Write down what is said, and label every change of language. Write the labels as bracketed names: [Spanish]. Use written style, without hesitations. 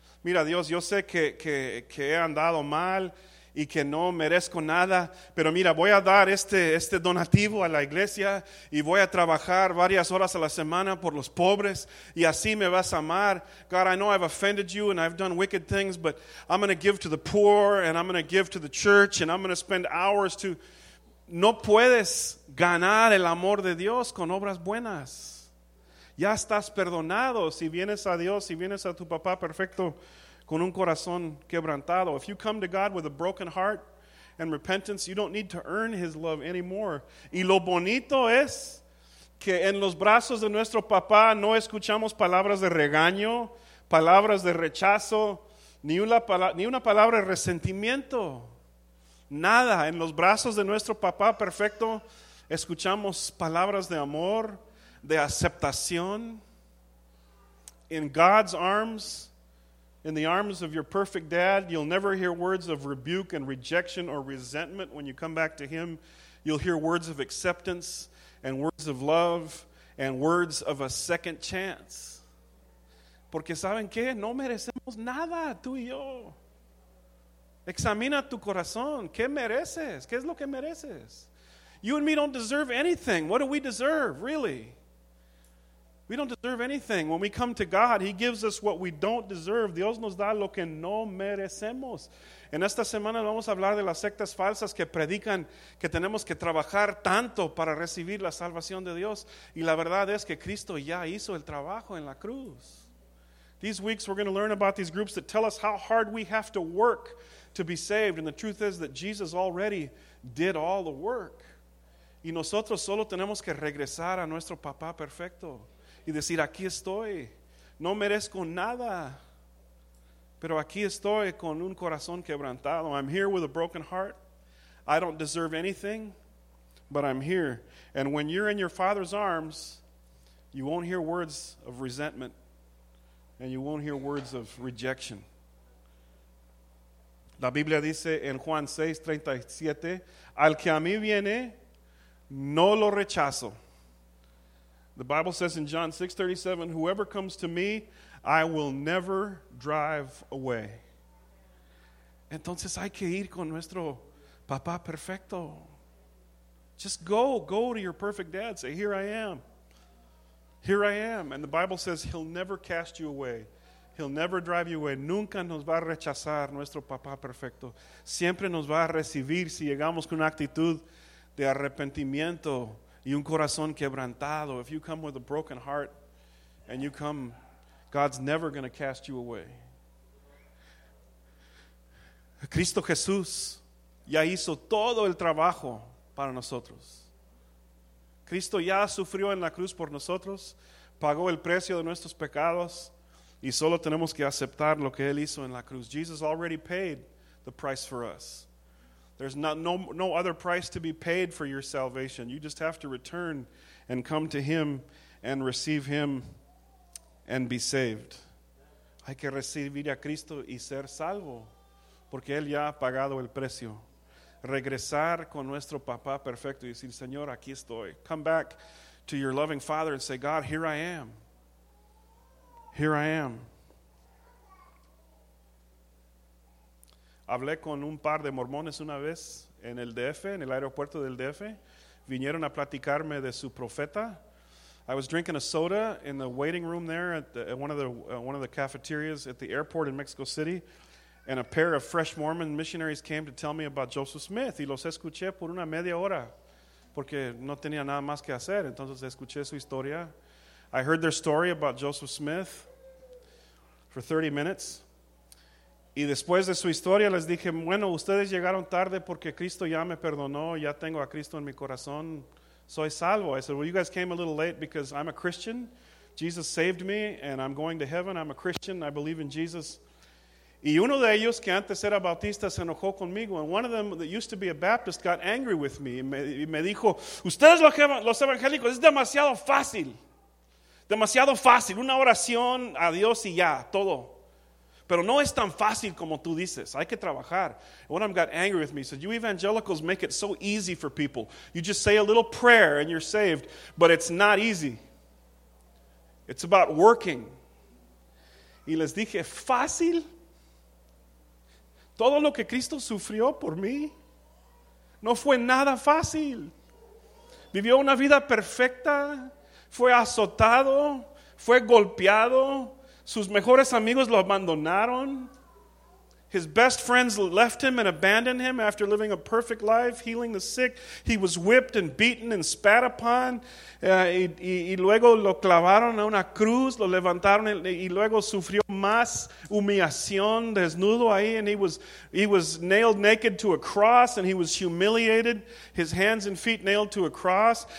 [Spanish] Mira Dios, yo sé que he andado mal y que no merezco nada, pero mira, voy a dar este donativo a la iglesia y voy a trabajar varias horas a la semana por los pobres y así me vas a amar. [English] God, I know I've offended you and I've done wicked things, but I'm going to give to the poor and I'm going to give to the church and I'm going to spend hours to... [Spanish] No puedes ganar el amor de Dios con obras buenas. Ya estás perdonado si vienes a Dios, si vienes a tu papá perfecto con un corazón quebrantado. [English] If you come to God with a broken heart and repentance, you don't need to earn His love anymore. [Spanish] Y lo bonito es que en los brazos de nuestro papá no escuchamos palabras de regaño, palabras de rechazo, ni una palabra de resentimiento. Nada. En los brazos de nuestro papá perfecto escuchamos palabras de amor, de aceptación. [English] In God's arms, in the arms of your perfect dad, you'll never hear words of rebuke and rejection or resentment when you come back to Him. You'll hear words of acceptance and words of love and words of a second chance. [Spanish] Porque saben que no merecemos nada, tú y yo. Examina tu corazón. ¿Qué mereces? ¿Qué es lo que mereces? [English] You and me don't deserve anything. What do we deserve, really? We don't deserve anything. When we come to God, He gives us what we don't deserve. [Spanish] Dios nos da lo que no merecemos. En esta semana vamos a hablar de las sectas falsas que predican que tenemos que trabajar tanto para recibir la salvación de Dios. Y la verdad es que Cristo ya hizo el trabajo en la cruz. [English] These weeks we're going to learn about these groups that tell us how hard we have to work to be saved. And the truth is that Jesus already did all the work. [Spanish] Y nosotros solo tenemos que regresar a nuestro papá perfecto. Y decir, aquí estoy, no merezco nada, pero aquí estoy con un corazón quebrantado. [English] I'm here with a broken heart. I don't deserve anything, but I'm here. And when you're in your Father's arms, you won't hear words of resentment, and you won't hear words of rejection. [Spanish] La Biblia dice en Juan 6:37, al que a mí viene, no lo rechazo. [English] The Bible says in John 6:37, whoever comes to me, I will never drive away. [Spanish] Entonces hay que ir con nuestro papá perfecto. [English] Just go to your perfect dad. Say, here I am. Here I am. And the Bible says he'll never cast you away. He'll never drive you away. [Spanish] Nunca nos va a rechazar nuestro papá perfecto. Siempre nos va a recibir si llegamos con una actitud de arrepentimiento. Y un corazón quebrantado. [English] If you come with a broken heart and you come, God's never going to cast you away. [Spanish] Cristo Jesús ya hizo todo el trabajo para nosotros. Cristo ya sufrió en la cruz por nosotros, pagó el precio de nuestros pecados, y solo tenemos que aceptar lo que Él hizo en la cruz. [English] Jesus already paid the price for us. There's no other price to be paid for your salvation. You just have to return and come to Him and receive Him and be saved. [Spanish] Hay que recibir a Cristo y ser salvo, porque Él ya ha pagado el precio. Regresar con nuestro papá perfecto y decir, Señor, aquí estoy. [English] Come back to your loving Father and say, God, here I am. Here I am. [Spanish] Hablé con un par de mormones una vez en el DF, en el aeropuerto del DF. vinieron a platicarme de su profeta. [English] I was drinking a soda in the waiting room there at one of the cafeterias at the airport in Mexico City, and a pair of fresh Mormon missionaries came to tell me about Joseph Smith. [Spanish] Y los escuché por una media hora, porque no tenía nada más que hacer. Entonces escuché su historia. [English] I heard their story about Joseph Smith for 30 minutes. [Spanish] Y después de su historia les dije, bueno, ustedes llegaron tarde porque Cristo ya me perdonó, ya tengo a Cristo en mi corazón, soy salvo. [English] I said, well, you guys came a little late because I'm a Christian. Jesus saved me and I'm going to heaven. I'm a Christian. I believe in Jesus. [Spanish] Y uno de ellos que antes era bautista se enojó conmigo. [English] And one of them that used to be a Baptist got angry with me. [Spanish] Y me dijo, ustedes los evangélicos, es demasiado fácil. Demasiado fácil. Una oración a Dios y ya, todo. Pero no es tan fácil como tú dices. Hay que trabajar. [English] One of them got angry with me. He said, you evangelicals make it so easy for people. You just say a little prayer and you're saved. But it's not easy. It's about working. [Spanish] Y les dije, ¿fácil? Todo lo que Cristo sufrió por mí no fue nada fácil. Vivió una vida perfecta. Fue azotado. Fue golpeado. Sus mejores amigos lo abandonaron. [English] His best friends left him and abandoned him after living a perfect life, healing the sick. He was whipped and beaten and spat upon. [Spanish] Y luego lo clavaron a una cruz, lo levantaron y luego sufrió más humillación desnudo ahí. [English] And he was nailed naked to a cross and he was humiliated, his hands and feet nailed to a cross.